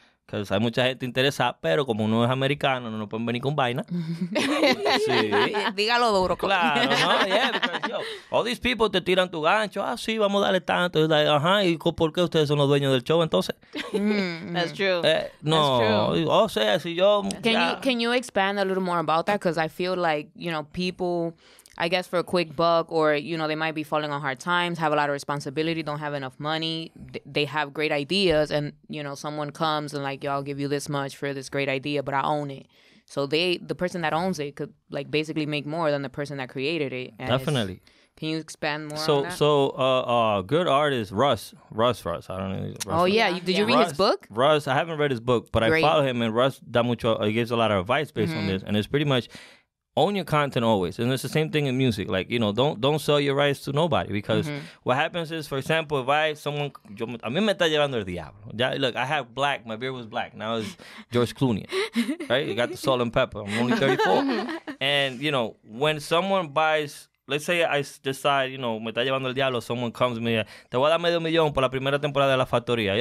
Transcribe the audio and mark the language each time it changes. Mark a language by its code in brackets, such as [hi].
[en] Cause [es] hay mucha gente interesada, pero como uno es americano, no nos pueden venir con vaina. Sí. Dígalo duro. [en] Claro, no, yeah, because, yo, all these people [es] te tiran tu gancho. Ah, sí, vamos a darle tanto. [en] Like, [es] ajá, ¿y por qué ustedes son los dueños del show entonces? [en] That's true. No, that's true. [es] O sea, si yo... [en] Can you expand a little more about that? Because I feel like, you know, people, I guess for a quick buck, or, you know, they might be falling on hard times, have a lot of responsibility, don't have enough money. They have great ideas, and, you know, someone comes and like, yo, I'll give you this much for this great idea, but I own it. So the person that owns it could, like, basically make more than the person that created it. And definitely. Can you expand more so, on that? So good artist, Russ. I don't know. Did you read his book? Russ, I haven't read his book, but great. I follow him, and Russ [es] da mucho, [en] he gives a lot of advice based mm-hmm. on this. And it's pretty much own your content always. And it's the same thing in music. Like, you know, don't sell your rights to nobody. Because mm-hmm. what happens is, for example, if someone... [es] Yo, a mí me está llevando el diablo. [en] Yeah, look, I have black. My beard was black. Now it's George Clooney. Right? You got the salt and pepper. I'm only 34. And, you know, when someone buys... Let's say I decide, you know, [es] me está llevando el diablo. [en] Someone comes to me, [es] te voy a dar medio millón por la primera temporada de La Factoría.